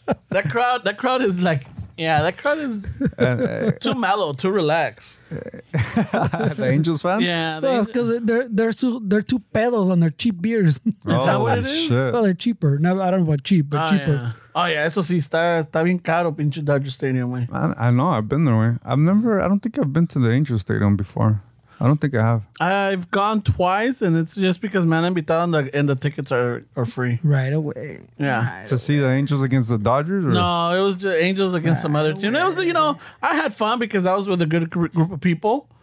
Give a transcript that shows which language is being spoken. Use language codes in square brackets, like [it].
[en] That crowd is like... Yeah, that crowd is too mellow, too relaxed. The Angels fans? Yeah. Because they're too pedos on their cheap beers. Is that what it is? Well, they're cheaper. No, I don't know about cheap, but cheaper. Yeah. Oh, yeah. [es] Eso sí, está bien caro, pinche Dodger Stadium. [en] I know. I've been there. I don't think I've been to the Angels Stadium before. I don't think I have. I've gone twice, and it's just because Man Invitado and the tickets are free. Right away. Yeah. Right to away. See the Angels against the Dodgers? Or? No, it was the Angels against some other team. It was, you know, I had fun because I was with a good group of people.